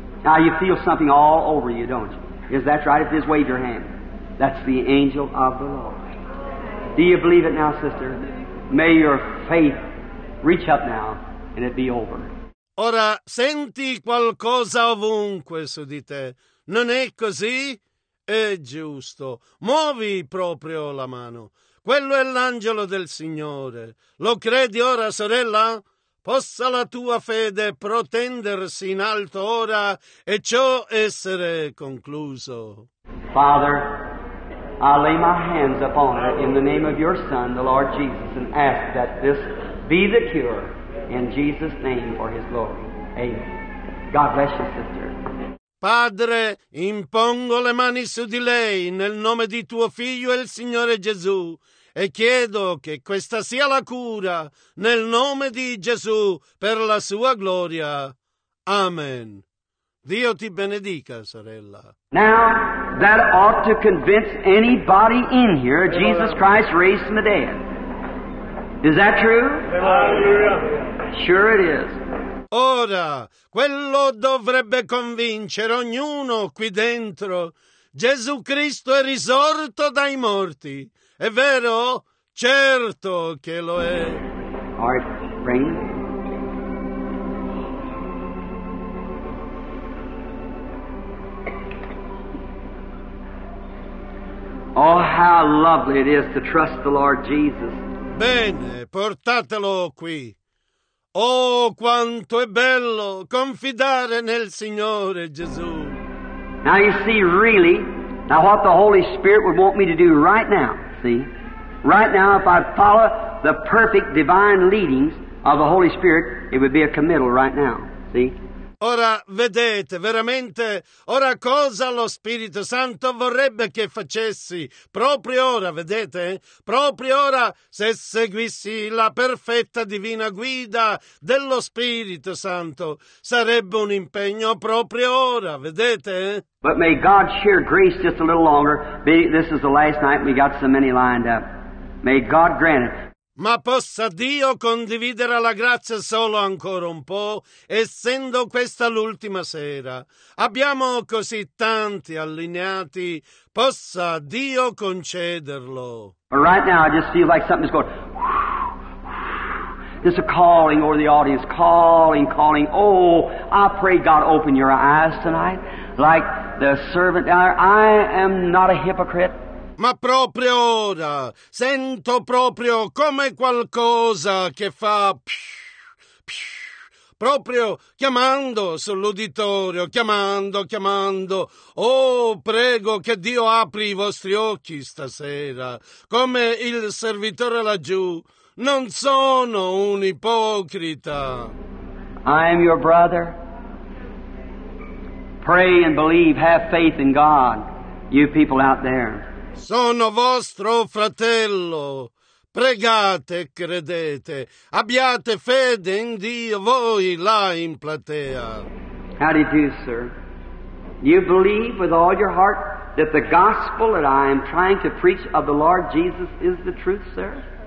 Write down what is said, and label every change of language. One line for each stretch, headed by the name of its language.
English: Now you feel something all over you, don't you? Is that right? If you just wave your hand. That's the angel of the Lord. Do you believe it now, sister? May your faith reach up now and it be over.
Italian: Ora senti qualcosa ovunque su di te. Non è così? È giusto. Muovi proprio la mano. Quello è l'angelo del Signore. Lo credi ora, sorella? Possa la tua fede protendersi in alto ora e ciò essere concluso.
English: Father, I lay my hands upon her in the name of your Son, the Lord Jesus, and ask that this be the cure. In Jesus' name for his glory. Amen. God bless you, sister.
Italian: Padre, impongo le mani su di lei nel nome di tuo figlio e il Signore Gesù e chiedo che questa sia la cura nel nome di Gesù per la sua gloria. Amen. Dio ti benedica, sorella.
English: Now, that ought to convince anybody in here Jesus Christ raised from the dead. Is that true? Hallelujah. Sure it is.
Italian: Ora, quello dovrebbe convincere ognuno qui dentro. Gesù Cristo è risorto dai morti. È vero? Certo che lo è.
English: Art Spring. Oh, how lovely it is to trust the Lord Jesus.
Italian: Bene, portatelo qui. Oh, quanto è bello confidare nel Signore Gesù.
English: Now you see, really, now what the Holy Spirit would want me to do right now, see? Right now, if I follow the perfect divine leadings of the Holy Spirit, it would be a committal right now, see?
Italian: Ora vedete, veramente, ora cosa lo Spirito Santo vorrebbe che facessi? Proprio ora, vedete? Proprio ora, se seguissi la perfetta divina guida dello Spirito Santo, sarebbe un impegno proprio ora, vedete?
English: But may God share grace just a little longer. This is the last night we got so many lined up. May God grant it.
Italian: Ma possa Dio condividere la grazia solo ancora un po', essendo questa l'ultima sera. Abbiamo così tanti allineati, possa Dio concederlo.
English: Right now I just feel like something's going. There's a calling over the audience, calling, calling. Oh, I pray God open your eyes tonight, like the servant. I am not a hypocrite.
Italian: Ma proprio ora, sento proprio come qualcosa che fa proprio chiamando sull'uditorio, chiamando, chiamando. Oh, prego che Dio apri i vostri occhi stasera, come il servitore laggiù. Non sono un ipocrita.
English: I am your brother. Pray and believe, have faith in God, you people out there.
Italian: Sono vostro fratello. Pregate, credete. Abbiate fede in Dio, voi là in platea.
English: How do you do, sir? You believe with all your heart that the gospel that I am trying to preach of the Lord Jesus is the truth, sir?